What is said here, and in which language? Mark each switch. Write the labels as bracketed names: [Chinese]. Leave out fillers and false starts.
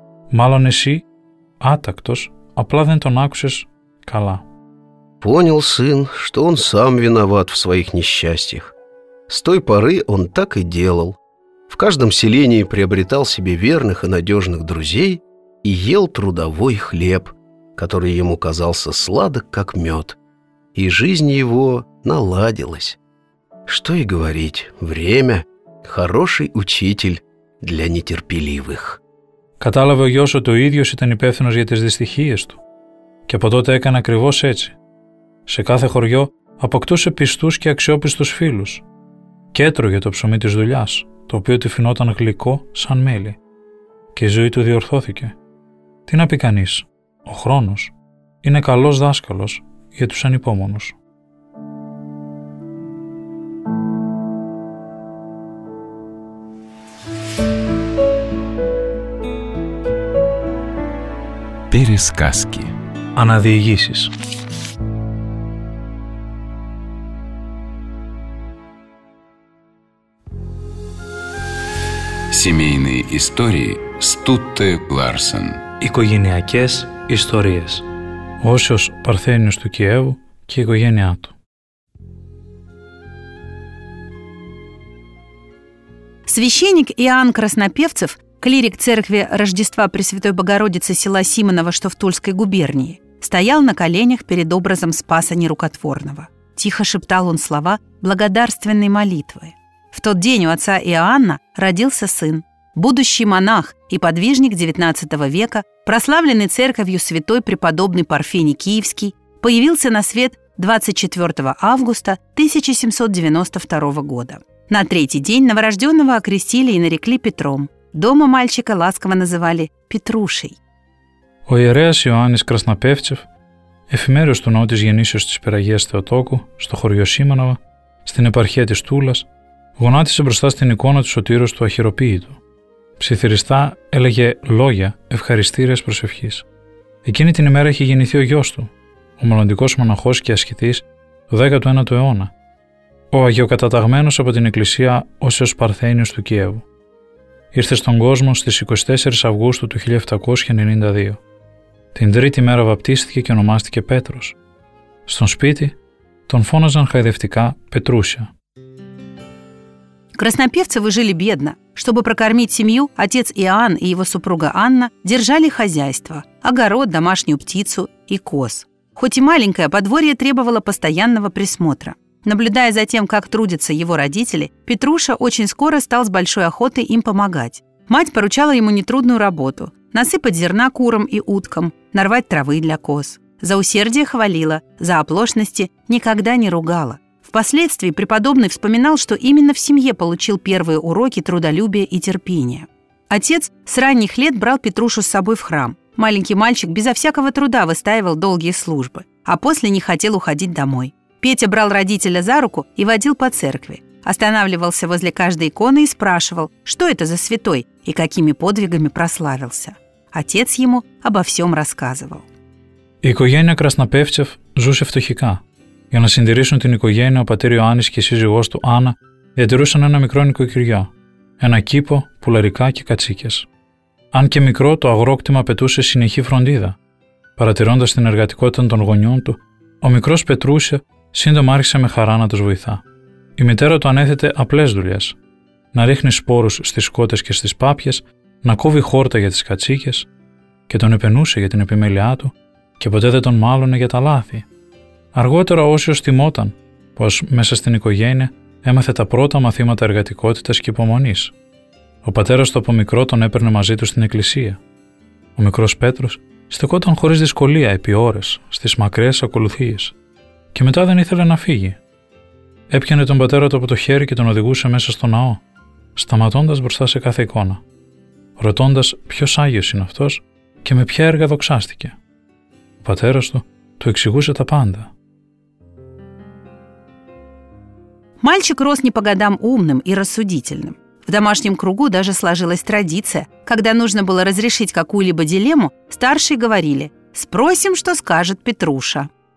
[Greek] Μάλλον εσύ, άτακτος, απλά δεν τον άκουσες καλά». [Russian] Понял сын, что он сам виноват в своих несчастьях. С той поры он так и делал. В каждом селении приобретал себе верных и надежных друзей и ел трудовой хлеб, который ему казался сладок, как мед. И жизнь его наладилась. Что и говорить, время — хороший учитель для нетерпеливых. [Greek] Каталаве ο γιος ότι ο ίδιος ήταν υπεύθυνος για τις δυστυχίες του. Και από τότε έκανε ακριβώς έτσι. Σε κάθε χωριό αποκτούσε πιστούς και αξιόπιστους φίλους. Και έτρωγε το ψωμί της δουλειάς, το οποίο του φινόταν γλυκό σαν μέλι. Και η ζωή του διορθώθηκε. Τι να πει κανείς, ο χρόνος είναι καλός δάσκαλος για τους ανυπόμονους. [Russian] Пересказки. [Greek] Αναδιηγήσεις. [Russian] Семейные истории Стутте Ларсен. [Greek] Οικογενειακές ιστορίες. Όσιος Παρθένιος του Κιέβου και η οικογένειά του. [Russian] Священник Иоанн Краснопевцев, клирик церкви Рождества Пресвятой Богородицы села Симонова, что в Тульской губернии, стоял на коленях перед образом Спаса Нерукотворного. Тихо шептал он слова благодарственной молитвы. В тот день у отца Иоанна родился сын, будущий монах и подвижник XIX века, прославленный церковью святой преподобный Парфений Киевский, появился на свет 24 августа 1792 года. На третий день новорожденного окрестили и нарекли Петром. Дома мальчика ласково называли Петрушей. [Greek] Ο ιερέας Ιωάννης Κρασναπεύτσεφ, εφημέριος του ναού της γεννήσεως της Πειραγίας Θεοτόκου, στο χωριό Σίμανοβα, στην επαρχία της Τούλας, γονάτισε μπροστά στην εικόνα του Σωτήρος του Αχυροποίητου. Ψιθυριστά έλεγε λόγια ευχαριστήριας προσευχής. Εκείνη την ημέρα είχε γεννηθεί ο γιος του, ο μελλοντικός μοναχός και ασκητής του 19ου αιώνα, ο αγιοκαταταγμένος από την Εκκλησία Όσιος Παρθένιος του Κιέβου. Ήρθε στον κόσμο στις 24 Αυγούστου του 1792. Την τρίτη μέρα βαπτίστηκε και ονομάστηκε Πέτρος. Στον σπίτι Τον φώναζαν χαϊδευτικά Πετρούσια. [Russian] Краснопевцы жили бедно. Чтобы прокормить семью, отец Иоанн и его супруга Анна держали хозяйство, огород, домашнюю птицу и коз. Хоть и маленькое, подворье требовало постоянного присмотра. Наблюдая за тем, как трудятся его родители, Петруша очень скоро стал с большой охотой им помогать. Мать поручала ему нетрудную работу – насыпать зерна курам и уткам, нарвать травы для коз. За усердие хвалила, за оплошности никогда не ругала. Впоследствии преподобный вспоминал, что именно в семье получил первые уроки трудолюбия и терпения. Отец с ранних лет брал Петрушу с собой в храм. Маленький мальчик безо всякого труда выстаивал долгие службы, а после не хотел уходить домой. Петя брал родителя за руку и водил по церкви. Останавливался возле каждой иконы и спрашивал, что это за святой и какими подвигами прославился. Отец ему обо всем рассказывал. [Greek] Οικογένεια Краснопевцев жила фтухика. Για να συντηρήσουν την οικογένεια, ο πατήρ Ιωάννης και η σύζυγός του Άννα διατηρούσαν ένα μικρό νοικοκυριό, ένα κήπο, πουλαρικά και κατσίκες. Αν και μικρό, το αγρόκτημα απαιτούσε συνεχή φροντίδα. Παρατηρώντας την εργατικότητα των γονιών του, ο μικρός Πετρούσια σύντομα άρχισε με χαρά να τους βοηθά. Η μητέρα του ανέθετε απλές δουλειές: να ρίχνει σπόρους στις σκότες και στις πάπιες, να κόβει χόρτα για τις κατσίκες, και τον επενούσε για την επιμέλειά του και ποτέ δεν τον μάλωνε για τα λάθη. Αργότερα, Όσιος θυμόταν πως μέσα στην οικογένεια έμαθε τα πρώτα μαθήματα εργατικότητας και υπομονής. Ο πατέρας του από μικρό τον έπαιρνε μαζί του στην εκκλησία. Ο μικρός Πέτρος στεκόταν χωρίς δυσκολία επί ώρες στις μακραίες ακολουθίες και μετά δεν ήθελε να φύγει. Έπιανε τον πατέρα του από το χέρι και τον οδηγούσε μέσα στο ναό, σταματώντας μπροστά σε κάθε εικόνα, ρωτώντας ποιος Άγιος είναι αυτός και με ποια έργα δοξάστηκε. Ο πατέρας του то эксигуша та панда. [Russian] Мальчик рос не по годам умным и рассудительным. В домашнем кругу даже сложилась традиция, когда нужно было разрешить какую-либо дилемму, старшие говорили: «Спросим, что скажет Петруша».